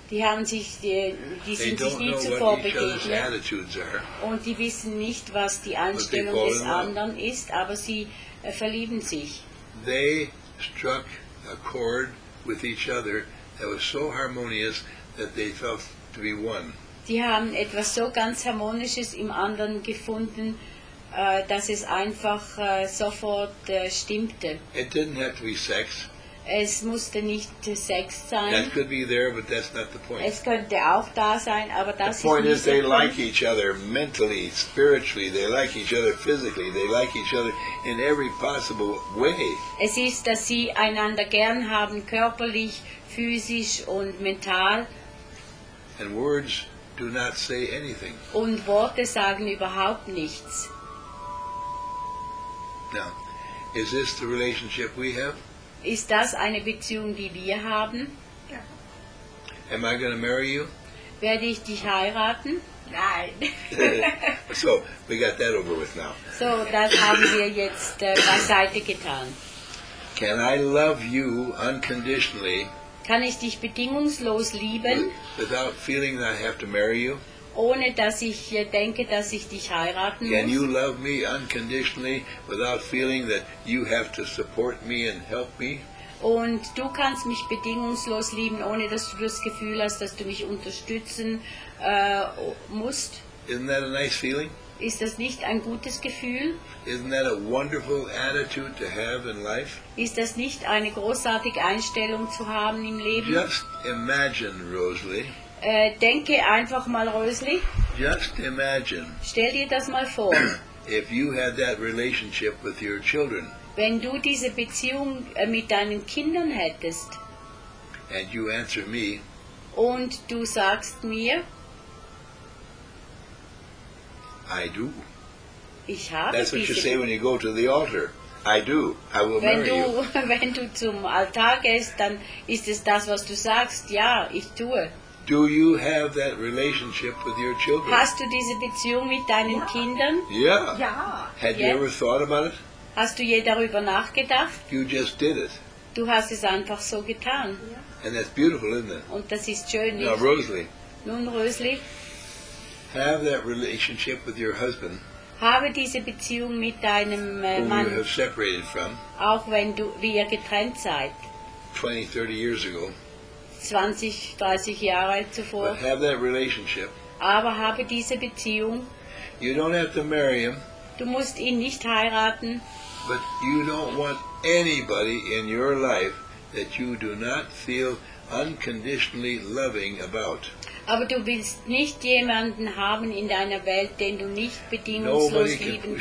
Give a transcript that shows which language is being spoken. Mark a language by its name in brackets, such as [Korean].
[English] They don't know what each other's attitudes are. [German] Und die wissen nicht, was die Einstellung des anderen ist, aber sie verlieben sich. [English] They struck a chord with each other that was so harmonious that they felt to be one. [German] Die haben etwas so ganz Harmonisches im anderen gefunden, dass es einfach sofort stimmte. [English] It didn't have to be sex. [German] Es musste nicht Sex sein. [English] That could be there, but that's not the point. [German] Es könnte auch da sein, aber das [English] the point [German] ist nicht [English] is they like each other mentally, spiritually, they like each other physically, they like each other in every possible way. [German] Es ist, dass sie einander gern haben, körperlich, physisch und mental. [English] And words do not say anything. [German] Und Worte sagen überhaupt nichts. [English] Now, is this the relationship we have? [German] Ist das eine Beziehung, die wir haben? Ja. [English] Am I going to marry you? [German] Werde ich dich heiraten? Nein. [English] So, we got that over with now. [German] So, das haben wir jetzt beiseite getan. [English] Can I love you unconditionally? [German] Kann ich dich bedingungslos lieben? [English] Without feeling that I have to marry you? [German] Ohne dass ich denke, dass ich dich heiraten muss. [English] Can you love me unconditionally without feeling that you have to support me and help me? [German] Und du kannst mich bedingungslos lieben, ohne dass du das Gefühl hast, dass du mich unterstützen musst. [English] Isn't that a nice feeling? [German] Ist das nicht ein gutes Gefühl? [English] Isn't that a wonderful attitude to have in life? [German] Ist das nicht eine großartige Einstellung zu haben im Leben? [English] Just imagine, Rosalie. [German] Denke einfach mal, Rosalie. [English] Just imagine. [German] Stell dir das mal vor. [English] If you had that relationship with your children. [German] Wenn du diese Beziehung mit deinen Kindern hättest. [English] And you answer me. [German] Und du sagst mir. [English] I do. [German] Ich habe. [English] That's what you say when you go to the altar. I do. I will [German] wenn [English] marry [German] du, [English] you. [German] Wenn du zum Altar gehst, dann ist es das, was du sagst. Ja, ich tue. [English] Do you have that relationship with your children? [German] Hast du diese Beziehung mit deinen Kindern? [English] Yeah. [German] Ja. [English] Had you ever thought about it? [German] Hast du je darüber nachgedacht? [English] You just did it. [German] Du hast es einfach so getan. [English] Yeah. And that's beautiful, isn't it? [German] Und das ist schön, nicht? [English] Now, Rosalie. [German] Nun, Rosalie. [English] Have that relationship with your husband. [German] Habe diese Beziehung mit deinem Mann. [English] Whom you have separated from. [German] Auch wenn du, wie ihr getrennt seid. [English] 20, 30 years ago. [German] 20, 30 Jahre zuvor. [English] But have that relationship. [German] Aber habe diese Beziehung. [English] You don't have to marry him. [German] Du musst ihn nicht heiraten. [English] But you don't want anybody in your life that you do not feel unconditionally loving about. [German] Aber du willst nicht jemanden haben in deiner Welt, den du nicht bedingungslos lieben kannst.